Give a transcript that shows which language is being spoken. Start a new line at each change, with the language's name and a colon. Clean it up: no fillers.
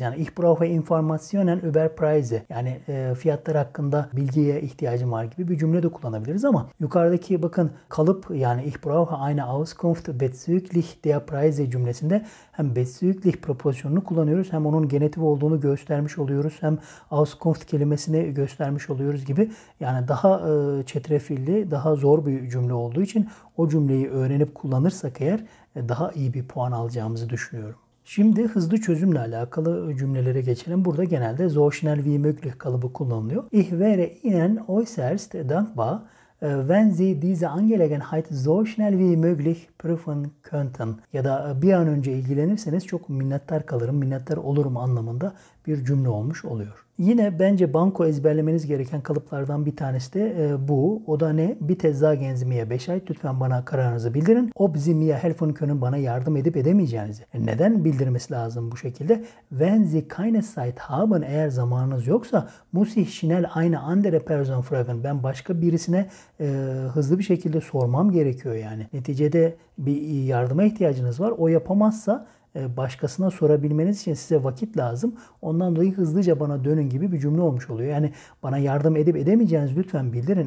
Turkish: Yani
German: Ich brauche Informationen über Preise,
Turkish: yani fiyatlar hakkında bilgiye ihtiyacım var gibi bir cümle de kullanabiliriz ama yukarıdaki bakın kalıp, yani
German: Ich brauche eine Auskunft bezüglich der Preise
Turkish: cümlesinde hem bezüglich propozisyonunu kullanıyoruz, hem onun genitif olduğunu göstermiş oluyoruz, hem Auskunft kelimesini göstermiş oluyoruz gibi, yani daha çetrefilli, daha zor bir cümle olduğu için o cümleyi öğrenip kullanırsak eğer daha iyi bir puan alacağımızı düşünüyorum. Şimdi hızlı çözümle alakalı cümlelere geçelim. Burada genelde
German: so schnell wie möglich
Turkish: kalıbı kullanılıyor.
German: Ich wäre Ihnen äußerst dankbar, wenn Sie diese Angelegenheit so schnell wie möglich prüfen könnten.
Turkish: Ya da bir an önce ilgilenirseniz çok minnettar kalırım, minnettar olurum anlamında bir cümle olmuş oluyor. Yine bence banko ezberlemeniz gereken kalıplardan bir tanesi de bu. O da ne?
German: Bitte sagen Sie mir Bescheid.
Turkish: Lütfen bana kararınızı bildirin.
German: Ob Sie mir helfen können,
Turkish: bana yardım edip edemeyeceğinizi. Neden bildirmesi lazım bu şekilde?
German: Wenn Sie keine Zeit haben,
Turkish: eğer zamanınız yoksa,
German: muss ich schnell eine andere Person fragen.
Turkish: Ben başka birisine hızlı bir şekilde sormam gerekiyor yani. Neticede bir yardıma ihtiyacınız var. O yapamazsa başkasına sorabilmeniz için size vakit lazım. Ondan dolayı hızlıca bana dönün gibi bir cümle olmuş oluyor. Yani bana yardım edip edemeyeceğinizi lütfen bildirin.